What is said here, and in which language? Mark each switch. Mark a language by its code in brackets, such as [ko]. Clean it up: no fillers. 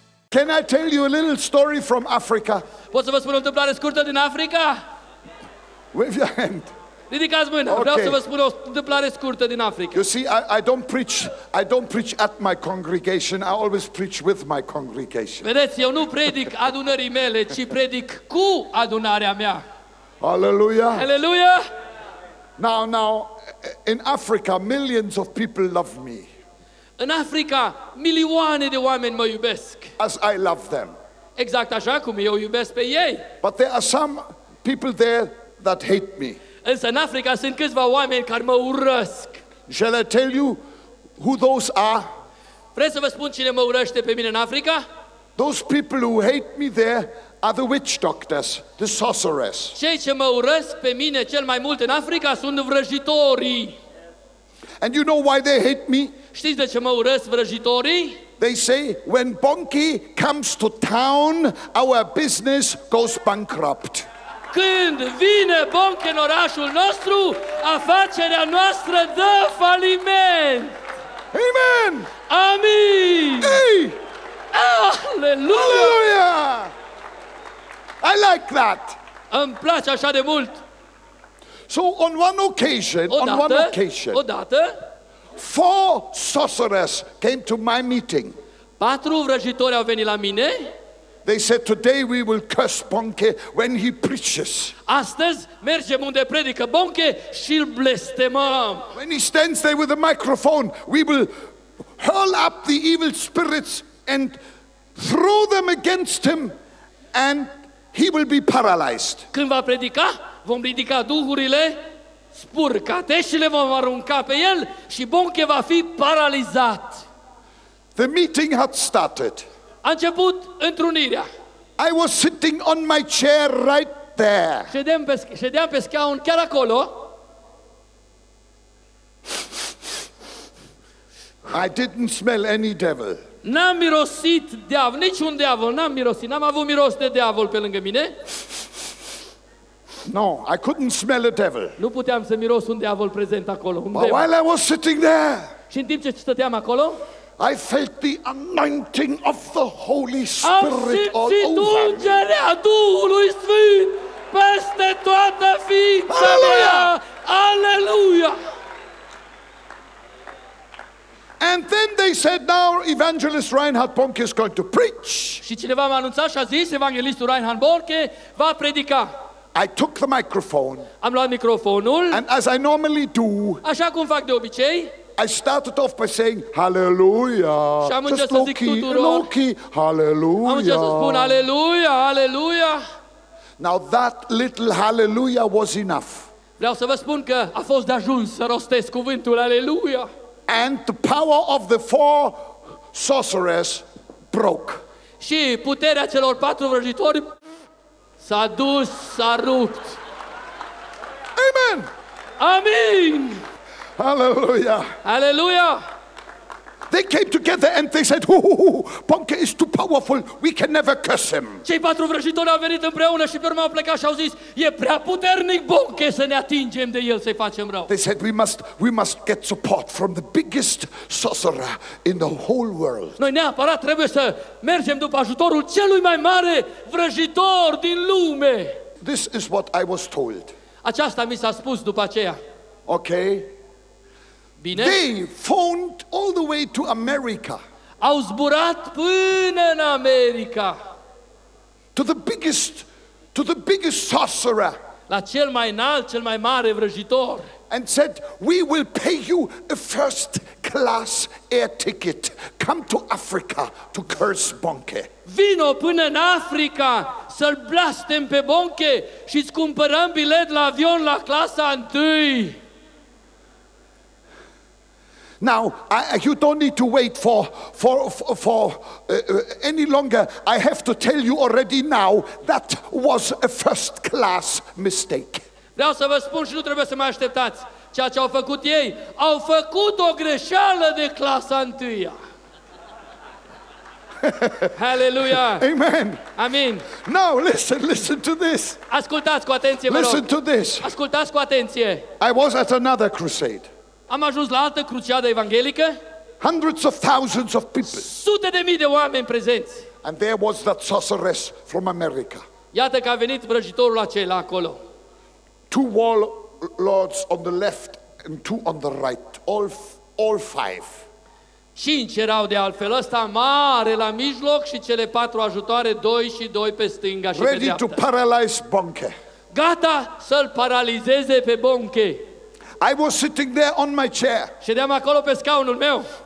[en] Can I tell you a little story from Africa? [ro] Pot să vă spun o întâmplare scurtă din Africa? [en] Wave your hand. [ro] Ridicați mâna. Okay. Vreau să vă spun o întâmplare scurtă din Africa. [en] You see, I don't preach at my congregation. I always preach with my congregation. [ro] Vedeți, eu nu predic adunării mele, ci predic cu adunarea mea. [en] Hallelujah. Hallelujah. Now, in Africa, millions of people love me. [ro] În Africa, milioane de oameni mă iubesc. [en] As I love them. [ro] Exact așa cum eu iubesc pe ei. [en] But there are some people there that hate me. [ro] Însă în Africa sunt câțiva oameni care mă urăsc. [en] Shall I tell you who those are? [ro] Vreți să vă spun cine mă urăște pe mine în Africa? [en] Those people who hate me there are the witch doctors, the sorcerers. [ro] Cei ce mă urăsc pe mine cel mai mult în Africa sunt vrăjitorii. [en] And you know why they hate me? [ro] Știți de ce mă urăsc vrăjitorii? [en] They say when Bonky comes to town, our business goes bankrupt. [ro] Când vine Bonky în orașul nostru, afacerea noastră dă faliment. [en] Amen. [ro] Amin. [en] Hey. [ro] Aleluia. [en] I like that. [ro] Îmi place așa de mult. [en] So on one occasion, [ro] odată, [en] four sorcerers came to my meeting. [ro] Patru vrăjitori au venit la mine. [en] They said today we will curse Bonke when he preaches. [ro] Astăzi mergem unde predică Bonke și îl blestemăm. [en] When he stands there with a microphone, we will hurl up the evil spirits and throw them against him and he will be paralyzed. [ro] Când va predica, vom ridica duhurile spurcate și le vom arunca pe el și Bonke va fi paralizat. [en] The meeting had started. [ro] A început întrunirea. [en] I was sitting on my chair right there. [ro] Ședeam pe scaun chiar acolo. [en] I didn't smell any devil. [ro] N-am mirosit diavol, niciun diavol, n-am avut miros de diavol pe lângă mine. [en] No, I couldn't smell a devil. [ro] Nu puteam să miros un diavol prezent acolo. [en] But while I was sitting there, [ro] și în timp ce stăteam acolo, [en] I felt the anointing of the Holy Spirit all over me. [ro] Am simțit ungerea Duhului Sfânt peste toată ființa mea. Aleluia! [en] And then they said, now evangelist Reinhard Bonke is going to preach. [ro] Și cineva m-a anunțat și a zis, evanghelistul Reinhard Bonke va predica. [en] I took the microphone. [ro] Am luat microfonul. [en] And as I normally do. [ro] Așa cum fac de obicei. [en] I started off by saying hallelujah. [ro] Și am început să zic tuturor. [en] Low-key, hallelujah. [ro] Am început să spun hallelujah, hallelujah. [en] Now that little hallelujah was enough. [ro] Vreau să vă spun că a fost de ajuns să rostesc cuvântul hallelujah. [en] And the power of the four sorcerers broke. [ro] Și puterea celor patru vrăjitori s-a dus, s-a rupt. [en] Amen. [ro] Amin. [en] Hallelujah. [ro] Hallelujah. [en] They came together and they said, "Hoo-hoo-hoo, Bonke is too powerful. We can never curse him." [ro] Cei patru vrăjitori au venit împreună și pe urmă au plecat și au zis, "E prea puternic Bonke să ne atingem de el, să-i facem rău." [en] They said, "We must get support from the biggest sorcerer in the whole world." [ro] Noi neapărat trebuie să mergem după ajutorul celui mai mare vrăjitor din lume. [en] This is what I was told. [ro] Aceasta mi s-a spus după aceea. [en] Okay. [ro] Bine. [en] They phoned all the way to America. [ro] Au zburat până în America. [en] To the biggest sorcerer. [ro] La cel mai înalt, cel mai mare vrăjitor. [en] And said, "We will pay you a first class air ticket. Come to Africa to curse Bonke." [ro] Vino până în Africa să-l blastem pe Bonke și îți cumpărăm bilet la avion la clasa întâi. [en] Now, you don't need to wait for any longer. I have to tell you already now that was a first class mistake. [ro] Vreau să vă spun și nu trebuie să mai așteptați. Ceea ce au făcut ei, au făcut o greșeală de clasa întâia. [en] Hallelujah. Amen. [ro] Amin. [en] Now listen to this. [ro] Ascultați cu atenție, vă [en] listen [ro] rog. [en] To this. [ro] Ascultați cu atenție. [en] I was at another crusade. [ro] Am ajuns la altă cruciadă evanghelică. [en] hundreds of thousands of people. [ro] Sute de mii de oameni prezenți. [en] And there was that sorceress from America. [ro] Iată că a venit vrăjitorul acela acolo. [en] Two warlords on the left and two on the right. All five. [ro] Cinci erau de altfel, ăsta mare la mijloc și cele patru ajutoare, doi și doi pe stânga și [en] ready [ro] pe dreapta. [en] To paralyze Bonke. [ro] Gata să-l paralizeze pe Bonke. [en] I was sitting there on my chair. [ro] Ședeam acolo pe scaunul meu.